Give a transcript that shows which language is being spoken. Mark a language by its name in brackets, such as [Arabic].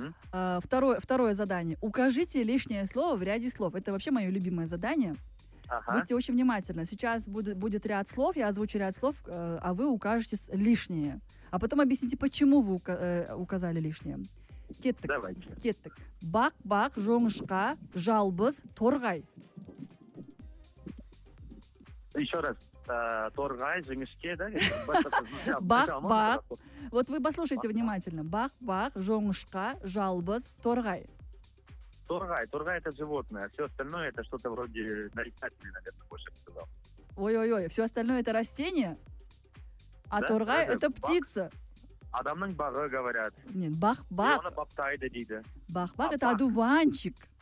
[Russian] Второе задание. Укажите лишнее слово в ряде слов. Это вообще мое любимое задание. Будьте очень внимательны. Сейчас будет ряд слов, я озвучу ряд слов, а вы укажете лишнее. А потом объясните, почему вы указали лишнее. [Kazakh] Кеттік. [Russian] Давайте. [Kazakh] Кеттік. Бақ-бақ, жоңышқа, жалбыз, торғай. [Russian] Еще раз. [Kazakh] Торғай, жоңышке, [Russian] да? [Kazakh] Бақ-бақ. [Russian] Вот вы послушайте внимательно. [Kazakh] Бақ-бақ, жоңышқа, жалбыз, торғай. [Russian] Торғай это животное. Все остальное это что-то вроде нарицательное, наверное, больше бы сказал. Ой-ой-ой. Все остальное это растение, а торғай это птица. [Kazakh] Адамның бағы, [Russian] говорят. Нет, бақ-бақ. [Kazakh] Оны баптайды, дейді. [Russian] Бақ-бақ, это одуванчик.